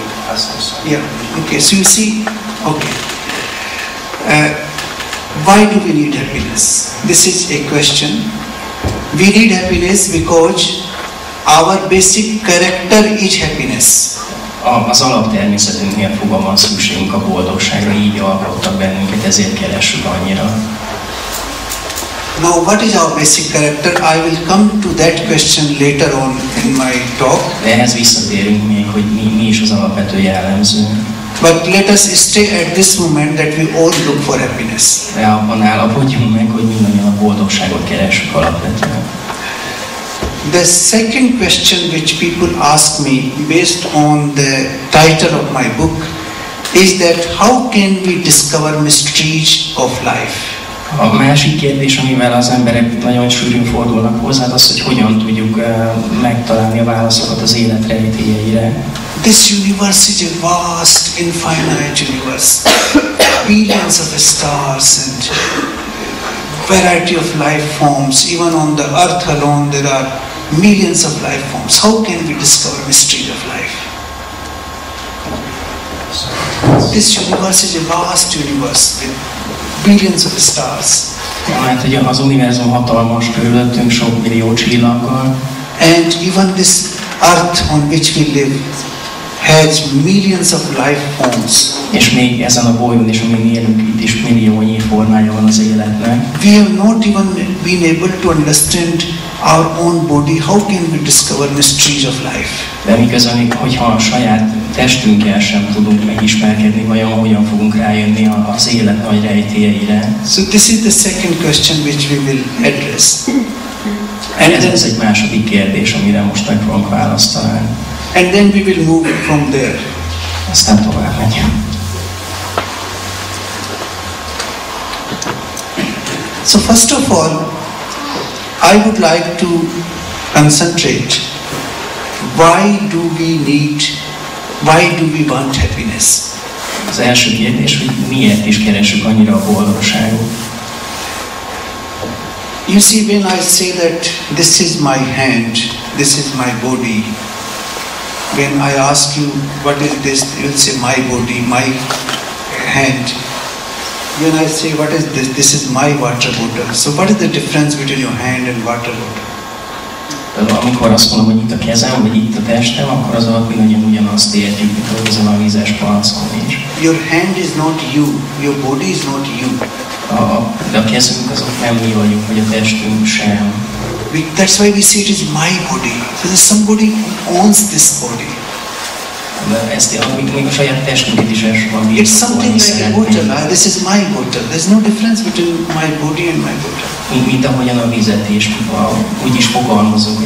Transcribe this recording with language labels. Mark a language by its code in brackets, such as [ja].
[en] Yeah, okay, so you see, okay. Why do we need happiness? This is a question. We need happiness because our basic character is happiness. [hu] Az alaptermészetünknél fogva van szükségünk a boldogságra, így alkottak bennünket, ezért keresünk annyira. [en] Now, what is our basic character? I will come to that question later on in my talk. [hu] De ehhez visszatérünk még, hogy mi is az alapvető jellemző. [en] But let us stay at this moment that we all look for happiness. [hu] De abban állapodjunk meg, hogy mindannyian a boldogságot keresünk alapvetően. [en] The second question which people ask me based on the title of my book is that how can we discover mysteries of life? [hu] A másik kérdés, amivel az emberek nagyon sűrűn fordulnak hozzá, az, hogy hogyan tudjuk megtalálni a válaszokat az élet rejtélyeire. [en] This universe is a vast, infinite universe. Billions of stars and variety of life forms. Even on the earth alone there are millions of life forms. How can we discover mystery of life? This universe is a vast universe with billions of stars. [hu] Mert ugye az univerzum hatalmas körülöttünk sok millió csillaggal. [en] And even this earth on which we live has millions of life forms. [hu] És még ezen a bolygón is, amin élünk, itt is milliónyi formája van az életnek. [en] We have not even been able to understand our own body. How can we discover mysteries of life? [hu] De miközben, hogyha a saját testünkkel sem tudunk megismerkedni, vajon hogyan fogunk rájönni az élet nagy rejtélyeire? [en] So this is the second question which we will address. [hu] And ez egy második kérdés, amire most meg fogunk választani. [en] And then we will move from there. [hu] Aztán tovább megyünk. [en] So first of all, I would like to concentrate. Why do we want happiness? [hu] Az első kérdés, hogy miért is keresünk annyira a boldogságot? [en] You see, when I say that this is my hand, this is my body, when I ask you what is this, you will say my body, my hand. When I say what is this, this is my water bottle. So what is the difference between your hand and water bottle? [hu] Amikor azt mondom, hogy itt a kezem, vagy itt a testem, akkor az alatt mindannyian ugyanazt értjük, mint ahogy ezen a vízes palackon is. [en] Your hand is not you, your body is not you. [hu] De a kezünk azok nem mi vagyunk, vagy a testünk sem. [en] That's why we say it is my body. So there's somebody who owns this body. It's something like a bottle. This is my bottle. There's no difference between my body and my bottle.